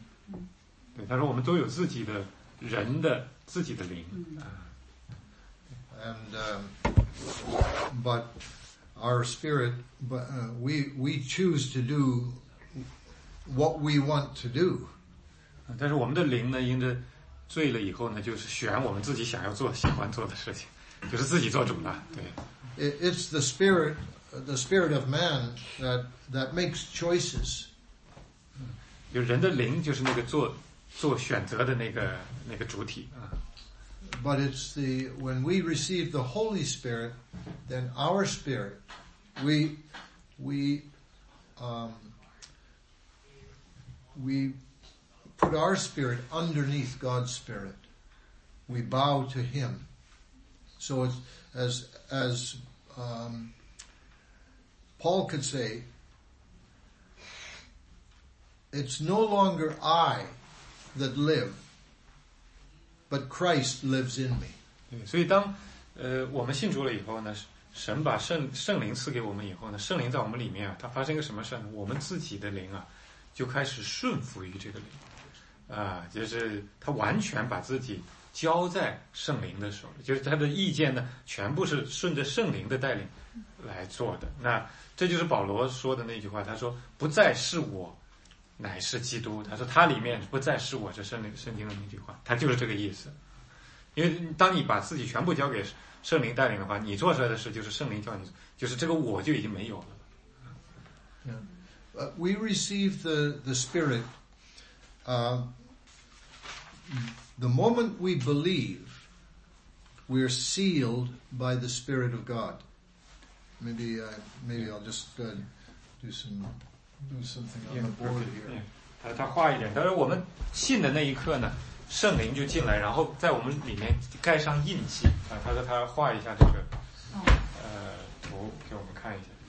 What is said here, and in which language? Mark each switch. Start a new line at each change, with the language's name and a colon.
English: Mm-hmm. And but our spirit, we choose to do what we want to do.
Chinese: 但是我们的灵呢，因着醉了以后呢，就是选我们自己想要做、喜欢做的事情，就是自己做主了。对
English: ，It's the spirit of man that makes choices.
Chinese: 有人的灵就是那个做选择的那个主体啊。
English: But it's the when we receive the Holy Spirit, then our spirit, we put our spirit underneath God's spirit. We bow to Him. So it's as Paul could say, it's no longer I that live, but Christ lives in me.
Chinese: 所以当我们信主了以后呢，神把圣灵赐给我们以后呢，圣灵在我们里面啊，它发生个什么事呢？我们自己的灵啊，就开始顺服于这个灵。就是他完全把自己交在圣灵的手里，就是他的意见呢全部是顺着圣灵的带领来做的。那这就是保罗说的那句话，他说不再是我乃是基督，他说他里面不再是我，这圣经的那句话，他就是这个意思。因为当你把自己全部交给圣灵带领的话，你做出来的事就是圣灵叫你，就是这个我就已经没有了。
English: We receive the spirit the moment we believe, we are sealed by the Spirit of God. Maybe I'll just do something on the board here.
Chinese: 他画一点，但是我们信的那一刻呢，圣灵就进来，然后在我们里面盖上印记。他说他画一下这个图给我们看一下。